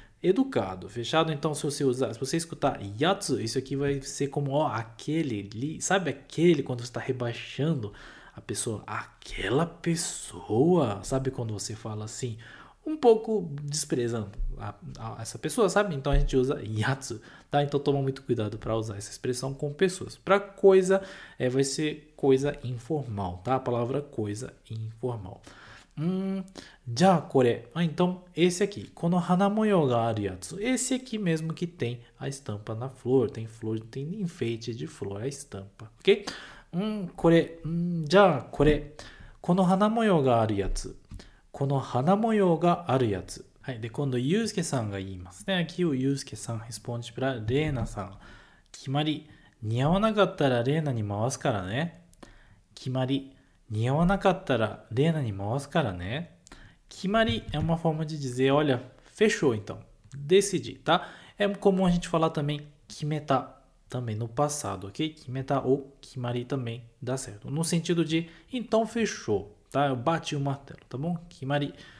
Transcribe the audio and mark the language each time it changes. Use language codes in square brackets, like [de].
[pt] Educado, fechado. Então, se você escutar yatsu, isso aqui vai ser como, ó, aquele, sabe aquele quando você está rebaixando a pessoa, aquela pessoa, sabe quando você fala assim, um pouco desprezando a essa pessoa, sabe? Então a gente usa yatsu, tá? Então toma muito cuidado para usar essa expressão com pessoas. Para coisa, vai ser coisa informal, tá? A palavra coisa informal. Já これ. Ah, então esse aqui, [ja] この花模様があるやつ. [pt] Esse aqui mesmo que tem a estampa na flor, tem flor, tem enfeite de flor, a estampa, ok? [ja] これ.Já これ. この花模様があるやつ。この花模様があるやつ。はい。で、今度、ゆうすけさんが言いますね。 [pt] Aqui o ゆうすけさん responde para レーナさん。 [ja] 決まり、似合わなかったらレーナに回すからね。決まり、似合わなかったらレーナに回すからね。 [pt] 決まりうま forma de dizer, olha, fechou então, decidi, tá? É comum a gente falar também, kimeta, também no passado, ok? Kimeta ou kimari também dá certo. No sentido de, então fechou, tá? Eu bati o martelo, tá bom? Kimari.